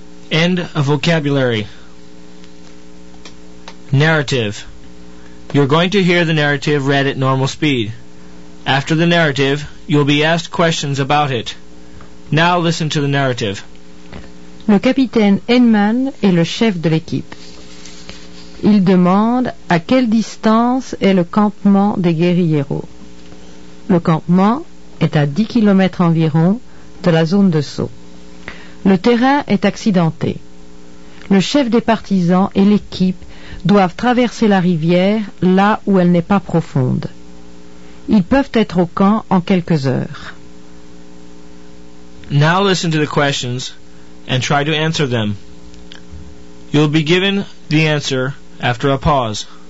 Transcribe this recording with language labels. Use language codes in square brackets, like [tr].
[en] End of vocabulary. Narrative. You're going to hear the narrative read at normal speed. After the narrative, you'll be asked questions about it. Now listen to the narrative. [fr] Le capitaine Henman est le chef de l'équipe. Il demande à quelle distance est le campement des guérilleros. Le campement est à 10 km environ de la zone de saut. Le terrain est accidenté. Le chef des partisans et l'équipe doivent traverser la rivière là où elle n'est pas profonde. Ils peuvent être au camp en quelques heures. [en] Now listen to the questions and try to answer them. You'll be given the answer after a pause.